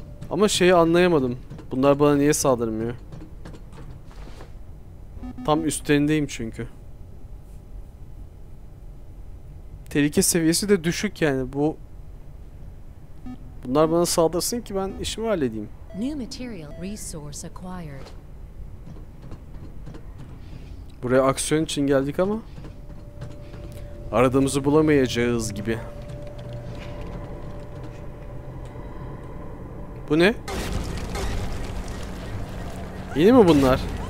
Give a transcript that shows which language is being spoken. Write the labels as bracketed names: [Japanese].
[Turkish] Ama şeyi anlayamadım. Bunlar bana niye saldırmıyor? Tam üstlerindeyim çünkü. Tehlike seviyesi de düşük yani bu. Bunlar bana saldırsın ki ben işimi halledeyim. [English] New material resource acquired. [Turkish] Buraya aksiyon için geldik ama aradığımızı bulamayacağız gibi. Bu ne? Yeni mi bunlar?